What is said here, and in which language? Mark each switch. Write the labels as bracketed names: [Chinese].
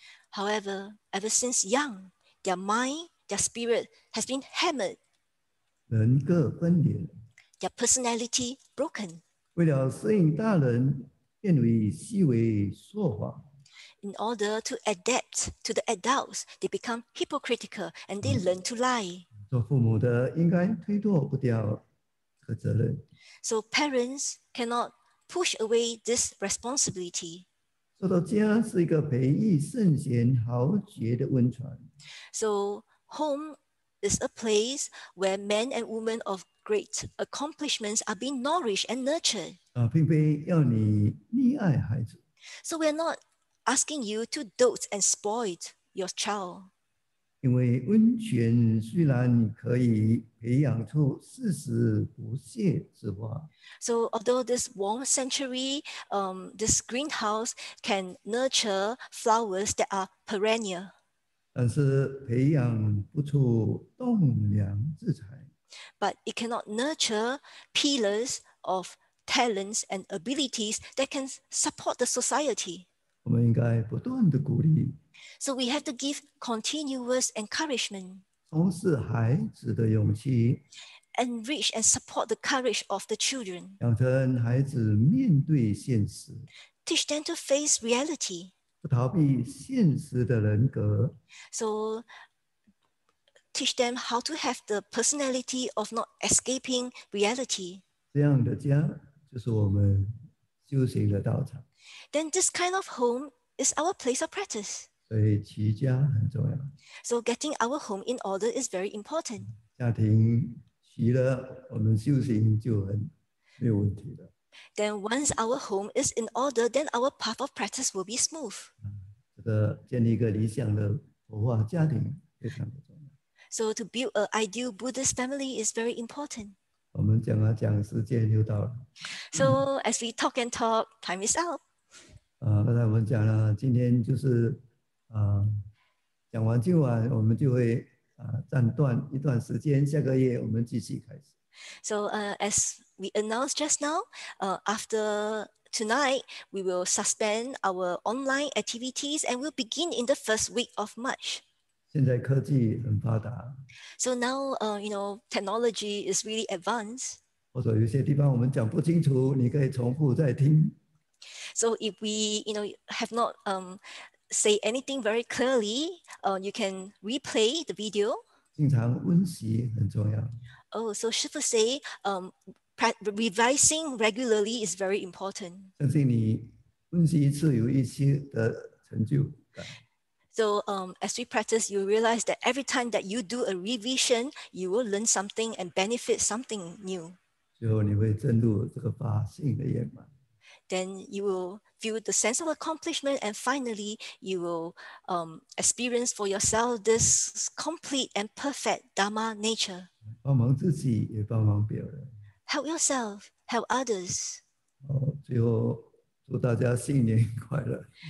[English] however, ever since young, their mind, their spirit has been hammered. [Chinese] 人格分裂, [English] their personality broken. [Chinese] 为了适应大人变为虚伪说话, [English] in order to adapt to the adults, they become hypocritical and they learn to lie. [Chinese] 做父母的应该推脱不掉这个责任, [English] so parents cannot push away this responsibility. [Chinese] 说到家是一个培育圣贤豪杰的温泉, [English] so home is a place where men and women of great accomplishments are being nourished and nurtured. [Chinese] 并非要你溺爱孩子。 [English] So we're not asking you to dote and spoil your child. [Chinese] 因为温泉虽然可以培养出誓死不懈之花。 [English] So although this warm sanctuary, this greenhouse can nurture flowers that are perennial. [Chinese] 但是培养不出栋梁之才。 [English] But it cannot nurture pillars of talents and abilities that can support the society. [Chinese] 我们应该不断地鼓励。 [English] So we have to give continuous encouragement. [Chinese] 充实孩子的勇气。 [English] Enrich and support the courage of the children. [Chinese] 养成孩子面对现实。 [English] Teach them to face reality. [Chinese] 不逃避现实的人格。 [English] So teach them how to have the personality of not escaping reality. [Chinese] 这样的家就是我们修行的道场。 [English] Then this kind of home is our place of practice. [Chinese] 所以齐家很重要。 [English] So getting our home in order is very important. [Chinese] 家庭齐了，我们修行就很没有问题了。 [English] Then once our home is in order, then our path of practice will be smooth. [Chinese] 这个建立一个理想的佛化家庭非常重要。 [English] So to build an ideal Buddhist family is very important. [Chinese] 我们讲啊讲，时间又到了。 [English] So as we talk and talk, time is up. [Chinese] 刚才我们讲了，今天就是。讲完今晚我们就会暂断一段时间，下个月我们继续开始。 [English] So as we announced just now, after tonight, we will suspend our online activities and we'll begin in the first week of March. [Chinese] 现在科技很发达。 [English] So now, you know, technology is really advanced. [Chinese] 或者有些地方我们讲不清楚，你可以重复再听。 [English] So if we, you know, have not, say anything very clearly, you can replay the video. [Chinese] 经常温习很重要。 [English] Oh, so Shifu say, revising regularly is very important. [Chinese] 相信你温习一次有一些的成就感。 [English] So, as we practice, you realize that every time that you do a revision, you will learn something and benefit something new. [Chinese] 最后你会证入这个法性的圆满。 [English] Then you will feel the sense of accomplishment, and finally, you will experience for yourself this complete and perfect Dharma nature. [Chinese] 帮忙自己，也帮忙别人。 [English] Help yourself, help others. [Chinese] 最后祝大家新年快乐。